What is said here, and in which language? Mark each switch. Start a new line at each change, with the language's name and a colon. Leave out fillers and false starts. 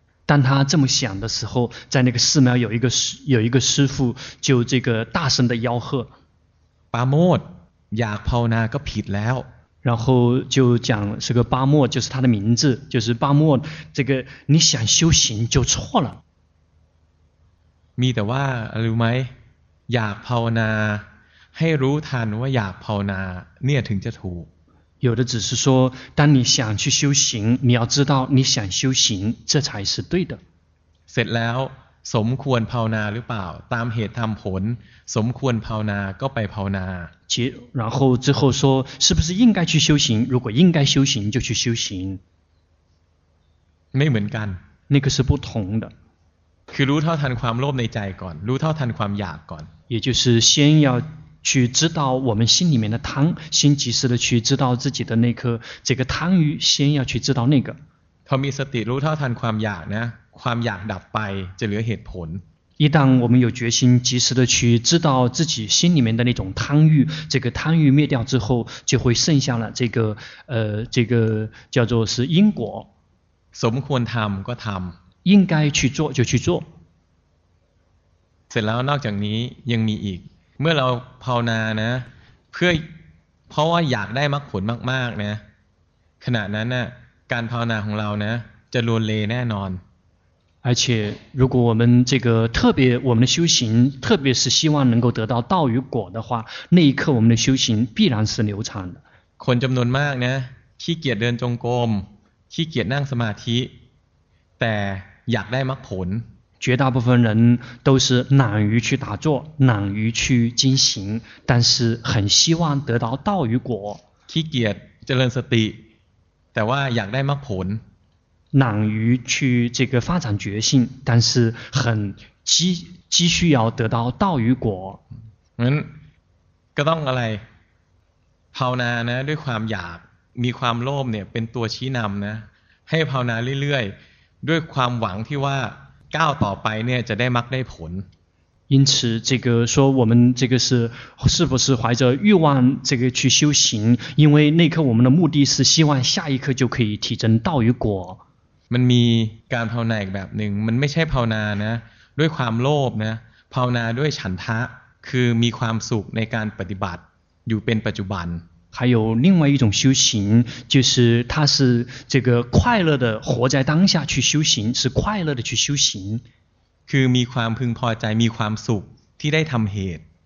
Chinese: 当他这么想的时候在那个寺庙有一个师父就这个大声的吆喝
Thai: 巴莫อยากภาวนาก็ผิดแล้ว
Chinese: 然后就讲这个巴莫就是他的名字就是巴莫这个你想修行就错了
Thai: มีแต่ว่ารู้ไหมอยากภาวนาให้รู้ทันว่าอยากภาวนาเนี่ยถึงจะถูก
Chinese: 有的只是说当你想去修行你要知道你想修行这才是对的
Thai: เสร็จแล้วสมควรภาวนาหรือเปล่าตามเหตุตามผลสมควรภาวนาก็ไปภาวนา
Chinese: 然后之后说是不是应该去修行如果应该修行就去修行
Thai: ไม่เหมือนกัน
Chinese: 那个是不同的
Thai: คือรู้เท่าทันความโลภในใจก่อนรู้เท่าทันความอยากก่อน
Chinese: 也就是先要去知道我们心里面的贪先及时的去知道自己的那颗这个贪欲先要去知道那个
Thai: พอมีสติรู้เท่าทันความอยากนะความอยากดับไปจะเหลือเหตุผล
Chinese: 一旦我们有决心及时的去知道自己心里面的那种贪欲这个贪欲灭掉之后就会剩下了这个叫做是因果
Thai: สมควรทำก็ทำ
Chinese: 应该去做就去做
Thai: เสร็จแล้วนอกจากนี้ยังมีอีกเมื่อเราภาวนานะเพราะว่าอยากได้มรรคผลมากๆนะขณะนั้นนะการภาวนาของเรานะจะลวนเลแน่นอน
Chinese: 而且如果我们这个特别我们的修行特别是希望能够得到道与果的话那一刻我们的修行必然是流产的
Thai: คนจำนวนมากนะขี้เกียจเดินจงกรมขี้เกียจนั่งสมาธิแต่อยากได้มรรคผล
Chinese: 绝大部分人都是懒于去打坐懒于去精行但是很希望得到道与果
Thai: ขี้เกียจเจริญสติแต่ว่าอยากได้มรรคผล
Chinese: 懒于去这个发展觉性但是很急需要得到道与果
Thai: งั้นก็ต้องอะไรภาวนานะด้วยความอยากมีความโลภเนี่ยเป็นตัวชี้นำนะให้ภาวนาเรื่อยๆด้วยความหวังที่ว่าก้าวต่อไปเนี่ยจะได้มรรคได้ผล
Chinese: 因此这个说我们这个是不是怀着欲望这个去修行因为那刻我们的目的是希望下一刻就可以提升道与果
Thai: มันมีการภาวนาอีกแบบหนึ่งมันไม่ใช่ภาวนานะด้วยความโลภนะภาวนาด้วยฉันทะคือมีความสุขในการปฏิบัติอยู่เป็นปัจจุบัน
Chinese: 还有另外一种修行，就是他是这个快乐的活在当下去修行，是快乐的去修行。
Thai: คือมีความพึงพอใจมีความสุขที่ได้ทำเหตุ